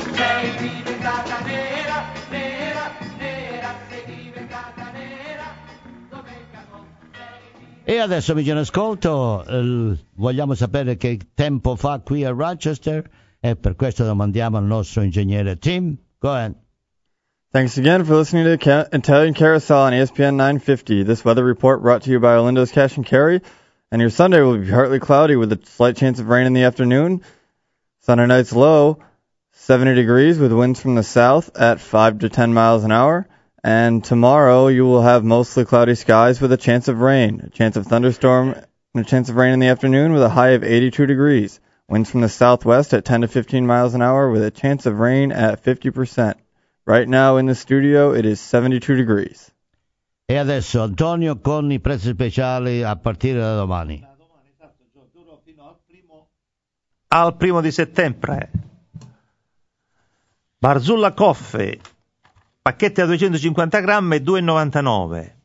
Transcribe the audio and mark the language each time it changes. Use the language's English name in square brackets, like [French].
[Italian] Sei diventata nera, nera, nera, sei diventata nera, come il caso. E E adesso, amici in ascolto, vogliamo sapere che tempo fa qui a Rochester, e per questo domandiamo al nostro ingegnere Tim. [English] Go ahead. Thanks again for listening to the Italian Carousel on ESPN 950. This weather report brought to you by Orlando's Cash and Carry. And your Sunday will be partly cloudy with a slight chance of rain in the afternoon. Sunday night's low, 70 degrees with winds from the south at 5 to 10 miles an hour. And tomorrow you will have mostly cloudy skies with a chance of rain, a chance of thunderstorm, and a chance of rain in the afternoon with a high of 82 degrees. Winds from the southwest at 10 to 15 miles an hour with a chance of rain at 50%. Right now in the studio it is 72 degrees. [Italian] E adesso Antonio con i prezzi speciali a partire da domani. Al primo di settembre. Barzulla Coffee, pacchetti a 250 grammi, 2,99.